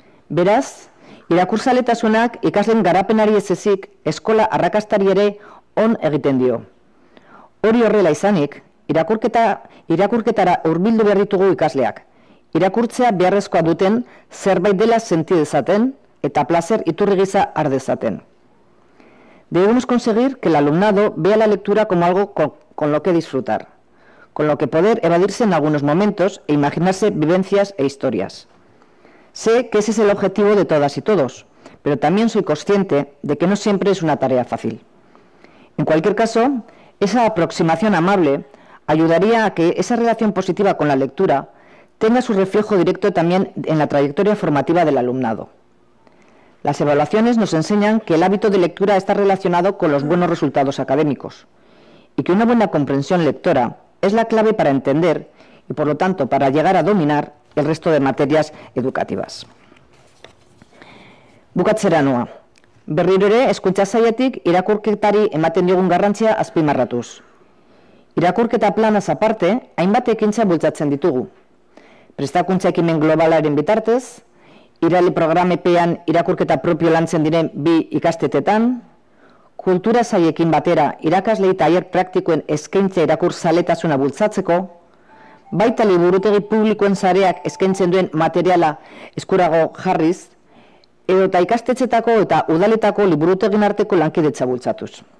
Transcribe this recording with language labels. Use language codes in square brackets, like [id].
[eu] Beraz, irakurtzaletasunak ikasleen garapenari ez ezik eskola arrakastari ere on egiten dio. Hori horrela izanik, irakurketara hurbildu behar ditugu ikasleak. Irakurtzea beharrezkoa duten zerbait dela senti dezaten eta plazer iturri gisa har dezaten. [es] Debemos conseguir que el alumnado vea la lectura como algo con lo que disfrutar, con lo que poder evadirse en algunos momentos e imaginarse vivencias e historias. Sé que ese es el objetivo de todas y todos, pero también soy consciente de que no siempre es una tarea fácil. En cualquier caso, esa aproximación amable ayudaría a que esa relación positiva con la lectura tenga su reflejo directo también en la trayectoria formativa del alumnado. Las evaluaciones nos enseñan que el hábito de lectura está relacionado con los buenos resultados académicos y que una buena comprensión lectora es la clave para entender y, por lo tanto, para llegar a dominar el resto de materias educativas. [eu] Bukatzera noa. Berriro ere, hezkuntza sailetik irakurketari ematen diogun garrantzia azpimarratuz. Irakurketa planaz aparte, hainbat ekintza bultzatzen ditugu. Prestakuntza ekimen globalaren bitartez, irali programepean irakurketa propio lantzen diren bi ikastetetan, kultura sailekin batera irakaslei tailer praktikoen eskaintza irakurzaletasuna bultzatzeko, baita liburutegi publikoen sareak eskaintzen duen materiala eskurago jarriz, edota ikastetxetako eta udaletako liburutegin arteko lankidetza bultzatuz.